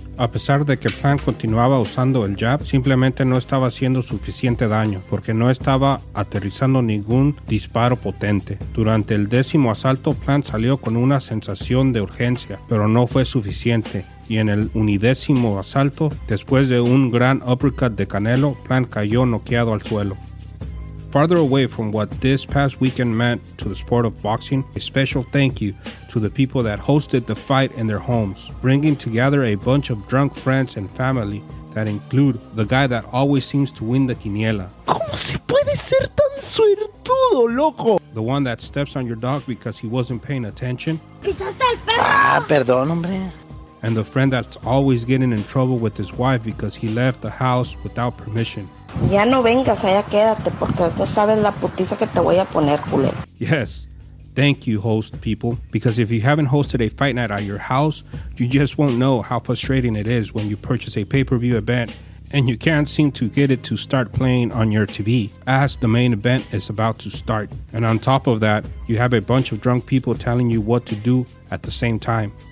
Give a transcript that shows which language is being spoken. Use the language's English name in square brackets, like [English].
[Spanish] A pesar de que Plant continuaba usando el jab, simplemente no estaba haciendo suficiente daño, porque no estaba aterrizando ningún disparo potente. Durante el décimo asalto, Plant salió con una sensación de urgencia, pero no fue suficiente. Y en el undécimo asalto, después de un gran uppercut de Canelo, Plant cayó noqueado al suelo. [English] Farther away from what this past weekend meant to the sport of boxing, a special thank you to the people that hosted the fight in their homes, bringing together a bunch of drunk friends and family that include the guy that always seems to win the quiniela. [Spanish] ¿Cómo se puede ser tan suertudo, loco? [English] The one that steps on your dog because he wasn't paying attention. [Spanish] ¿Pisaste al perro? Ah, perdón, hombre. [English] and the friend that's always getting in trouble with his wife because he left the house without permission. [Spanish] Ya no vengas, allá quédate, porque tú sabes la putiza que te voy a poner, culé. [English] Yes. Thank you, host people, because if you haven't hosted a fight night at your house, you just won't know how frustrating it is when you purchase a pay-per-view event and you can't seem to get it to start playing on your TV as the main event is about to start. And on top of that, you have a bunch of drunk people telling you what to do at the same time.